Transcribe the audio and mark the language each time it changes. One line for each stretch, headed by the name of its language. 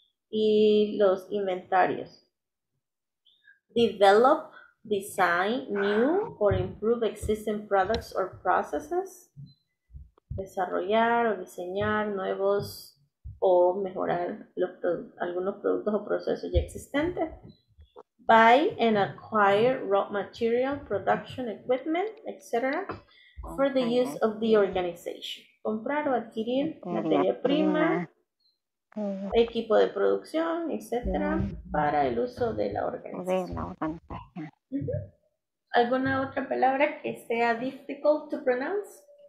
Spanish: Y los inventarios.
English: Develop, design new or improve existing products or processes.
Spanish: Desarrollar o diseñar nuevos o mejorar algunos productos o procesos ya existentes.
English: Buy and acquire raw material, production equipment, etc. for the use of the organization.
Spanish: Comprar o adquirir materia prima, equipo de producción, etcétera, para el uso de la organización. ¿Alguna otra palabra que sea
English: difficult to pronounce?